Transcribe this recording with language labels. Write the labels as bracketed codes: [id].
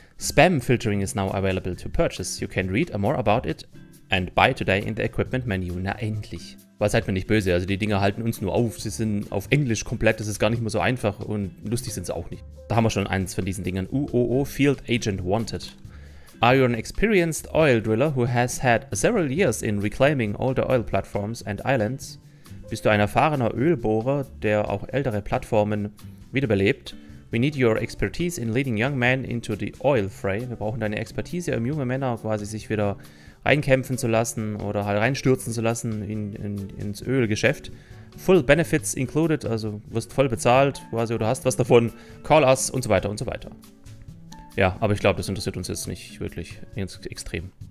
[en] Spam filtering is now available to purchase. You can read more about it and buy today in the equipment menu. [de] Na endlich. Weil seid mir nicht böse, also die Dinger halten uns nur auf. Sie sind auf Englisch komplett, das ist gar nicht mehr so einfach und lustig sind sie auch nicht. Da haben wir schon eins von diesen Dingern. [en] UOO Field Agent Wanted. Are you an experienced oil driller who has had several years in reclaiming older oil platforms and islands? [de] Bist du ein erfahrener Ölbohrer, der auch ältere Plattformen wiederbelebt? [en] We need your expertise in leading young men into the oil fray. [de] Wir brauchen deine Expertise, um junge Männer quasi sich wieder reinkämpfen zu lassen oder halt reinstürzen zu lassen ins Ölgeschäft. [en] Full benefits included, [de] also wirst voll bezahlt quasi oder hast was davon. [en] Call us [de] und so weiter und so weiter. Ja, aber ich glaube, das interessiert uns jetzt nicht wirklich extrem.